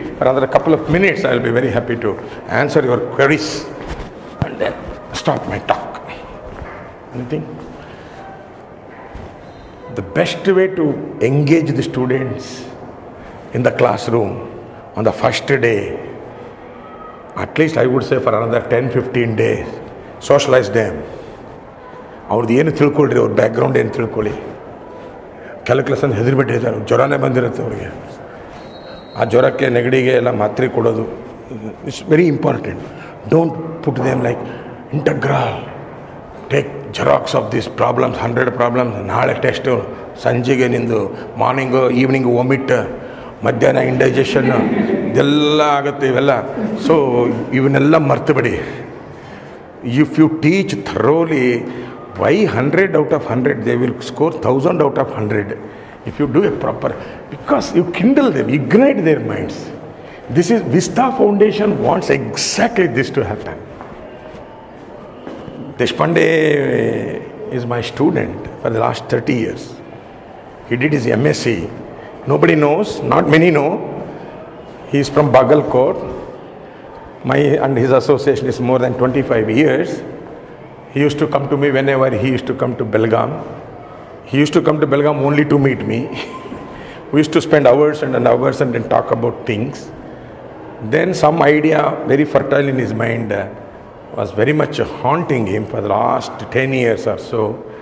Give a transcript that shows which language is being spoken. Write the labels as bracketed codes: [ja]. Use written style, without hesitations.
[en] For another couple of minutes, I will be very happy to answer your queries and then stop my talk. Anything? The best way to engage the students in the classroom on the first day at least I would say for another 10-15 days, socialize them. [kn] ಅವ್ರದ್ದು ಏನು ತಿಳ್ಕೊಳ್ರಿ, ಅವ್ರ background ಏನು ತಿಳ್ಕೊಳ್ಳಿ. ಕೆಲಕ್ಲಸನ್ನು ಹೆದರಿಬಿಟ್ಟಿದ್ದಾರೆ, ಜ್ವರನೇ ಬಂದಿರುತ್ತೆ ಅವರಿಗೆ. ಆ ಜ್ವರಕ್ಕೆ ನೆಗಡಿಗೆ ಎಲ್ಲ ಮಾತ್ರೆ ಕೊಡೋದು [en] It's very important. Don't put them like integral, take xerox of this problems, 100 problems. [kn] ನಾಳೆ ಟೆಸ್ಟು, ಸಂಜೆಗೆ ನಿಂದು, ಮಾರ್ನಿಂಗು ಈವ್ನಿಂಗು ವಾಮಿಟ್, ಮಧ್ಯಾಹ್ನ ಇಂಡೈಜೆಷನ್ನು, ಇದೆಲ್ಲ ಆಗುತ್ತೆ ಇವೆಲ್ಲ. [en] so [kn] ಇವನ್ನೆಲ್ಲ ಮರ್ತುಬಿಡಿ. [en] If you teach thoroughly, why 100 out of 100 they will score 1000 out of 100 if you do a proper, because you kindle them, ignite their minds. This is Vista foundation wants exactly this to happen. Deshpande is my student for the last 30 years. He did his M S C, nobody knows, not many know. He is from Bagalkot. My and his association is more than 25 years. He used to come to me whenever he used to come to Belgaum. He used to come to Belgaum only to meet me. We used to spend hours and hours and then talk about things. Then some idea very fertile in his mind was very much haunting him for the last 10 years or so.